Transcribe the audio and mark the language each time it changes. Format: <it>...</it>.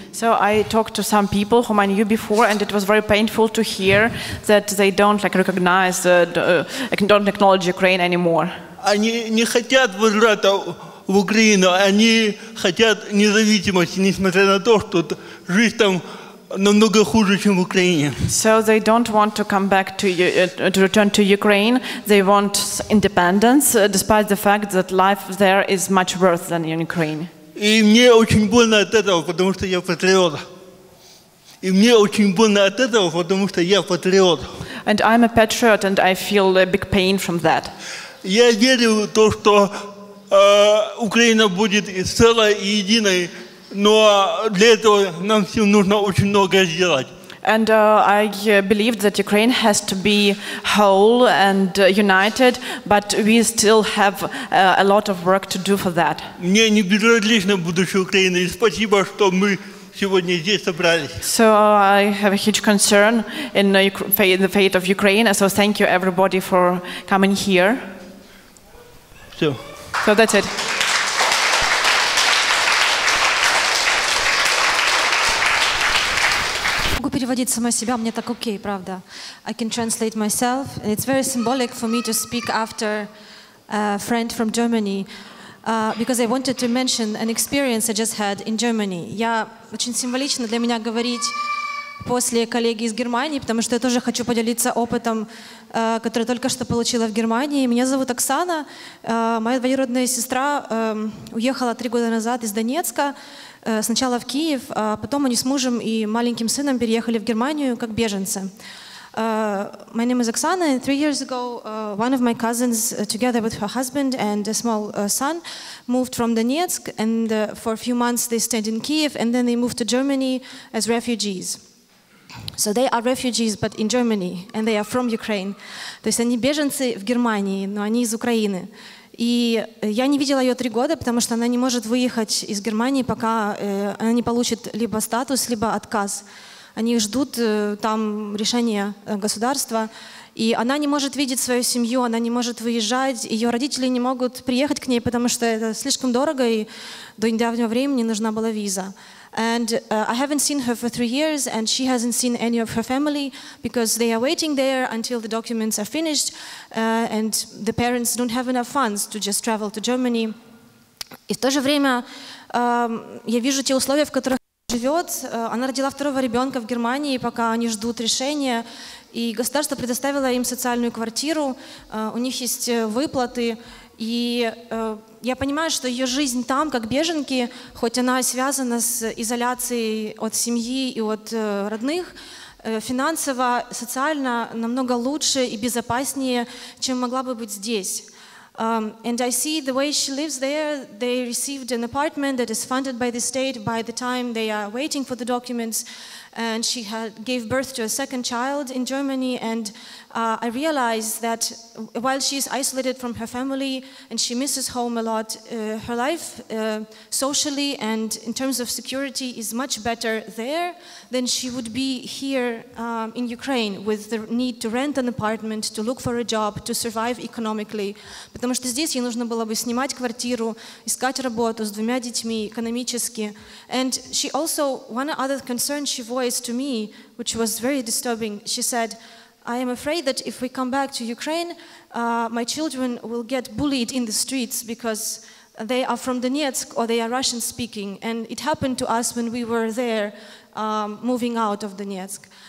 <en>So I talked to some people whom I knew before, and it was very painful to hear that they don't like recognize, don't acknowledge Ukraine anymore.</en> <ru>Они не хотят возврата в Украину, они хотят независимости, несмотря на то, что жизнь там намного хуже, чем в Украине.</ru> <en>So they don't want to come back to return to Ukraine. They want independence, despite the fact that life there is much worse than in Ukraine.</en> <ru>И мне очень больно от этого, потому что я патриот. И мне очень больно от этого, потому что я патриот.</ru> <en>And I'm a patriot, and I feel a big pain from that.</en> <ru>Я верю в то, что Украина будет целой и единой. Но для этого нам всем нужно очень много сделать.</ru> <en>And I believed that Ukraine has to be whole and united, but we still have a lot of work to do for that.</en> <ru>Мне не безразлично будущее Украины, и спасибо, что мы сегодня здесь собрались.</ru> <en>So I have a huge concern in the fate of Ukraine, so thank you everybody for coming here.</en> <ru>Все.</ru> <en>So that's it.</en> <ru>Переводить сама себя, мне так окей, правда.</ru> <en>I can translate myself, and it's very symbolic for me to speak after a friend from Germany, because I wanted to mention an experience I just had in Germany.</en> <ru>Я очень символично для меня говорить после коллеги из Германии, потому что я тоже хочу поделиться опытом которая только что получила в Германии. Меня зовут Оксана. Моя двоюродная сестра уехала 3 года назад из Донецка. Сначала в Киев, а потом они с мужем и маленьким сыном переехали в Германию как беженцы.</ru> <en>My name is Оксана. 3 years ago, one of my cousins, together with her husband and a small son, moved from Donetsk, and for a few months they stayed in Kiev, and then they moved to Germany as refugees. So they are refugees, but in Germany, and they are from Ukraine.</en> <ru>То есть они беженцы в Германии, но они из Украины. И я не видела ее 3 года, потому что она не может выехать из Германии, пока она не получит либо статус, либо отказ. Они ждут там решения государства. И она не может видеть свою семью, она не может выезжать, ее родители не могут приехать к ней, потому что это слишком дорого, и до недавнего времени нужна была виза.</ru> <en>And I haven't seen her for 3 years, and she hasn't seen any of her family because they are waiting there until the documents are finished, and the parents don't have enough funds to just travel to Germany.</en> <ru>И в то же время я вижу те условия, в которых она живет. Она родила 2-го ребенка в Германии, пока они ждут решения. И государство предоставило им социальную квартиру, у них есть выплаты. И я понимаю, что ее жизнь там, как беженки, хоть она связана с изоляцией от семьи и от родных, финансово, социально намного лучше и безопаснее, чем могла бы быть здесь.</ru> <en>And I see the way she lives there, they received an apartment that is funded by the state by the time they are waiting for the documents. And she had gave birth to a 2nd child in Germany, and I realized that while she is isolated from her family and she misses home a lot, her life socially and in terms of security is much better there than she would be here in Ukraine, with the need to rent an apartment, to look for a job, to survive economically.</en> <ru>Потому что здесь ей нужно было бы снимать квартиру, искать работу с 2 детьми экономически.</ru> <en>And she also, one other concern she voiced to me, which was very disturbing, she said, I am afraid that if we come back to Ukraine, my children will get bullied in the streets because they are from Donetsk or they are Russian speaking. And it happened to us when we were there moving out of Donetsk.</en>